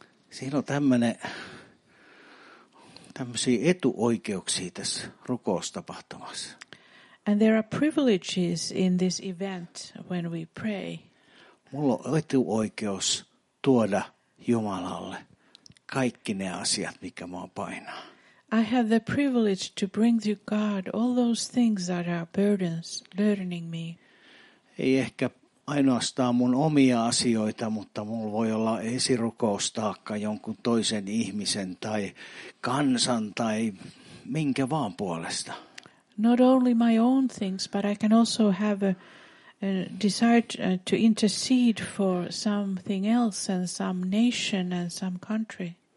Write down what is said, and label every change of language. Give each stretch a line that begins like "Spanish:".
Finnish: Siinä on tämmöisiä etuoikeuksia tässä rukoustapahtumassa.
English: And there are privileges in this event when we pray.
Finnish: Mulla on etuoikeus tuoda Jumalalle kaikki ne asiat, mikä mua painaa.
English: I have the privilege to bring to God all those things that are burdening me.
Finnish: Ei ehkä ainoastaan mun omia asioita, mutta mulla voi olla esirukoustaakka jonkun toisen ihmisen tai kansan tai minkä vaan puolesta.
English: Not only my own things, but I can also have a desire to intercede for something else and some nation and some country.